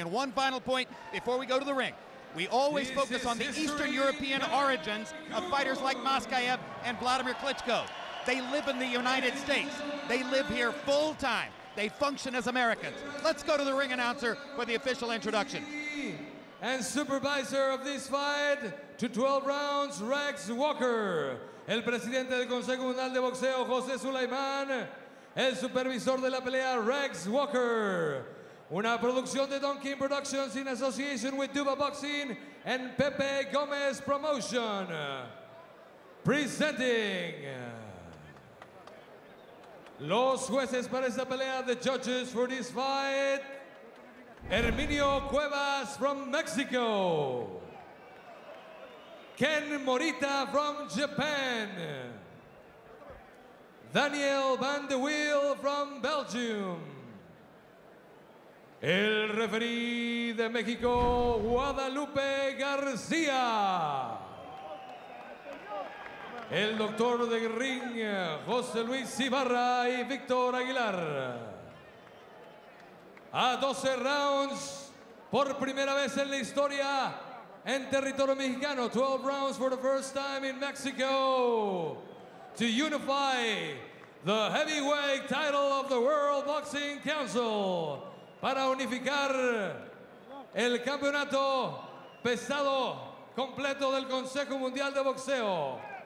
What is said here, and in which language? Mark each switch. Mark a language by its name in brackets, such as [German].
[English] And one final point before we go to the ring. We always focus on the Eastern European origins of fighters like Maskaev and Vladimir Klitschko. They live in the United States. They live here full time. They function as Americans. Let's go to the ring announcer for the official introduction. And supervisor of this fight to 12 rounds, Rex Walker. [Spanish] El presidente del Consejo Mundial de Boxeo, José Sulaiman. El supervisor de la pelea, Rex Walker. Una producción de Donkin Productions [English] in association with [Spanish] Duba Boxing and Pepe Gomez Promotion. [English] Presenting. [Spanish] Los jueces para esta pelea, [English] the judges for this fight. Herminio Cuevas from Mexico. Ken Morita from Japan. Daniel Van de Wiel from Belgium. [Spanish] El referee de Mexico, Guadalupe Garcia. El doctor de ring, José Luis Ibarra y Víctor Aguilar. A 12 rounds, por primera vez en la historia, en territorio mexicano. [English] 12 rounds for the first time in Mexico to unify the heavyweight title of the World Boxing Council. [Spanish] Para unificar el campeonato pesado completo del Consejo Mundial de Boxeo.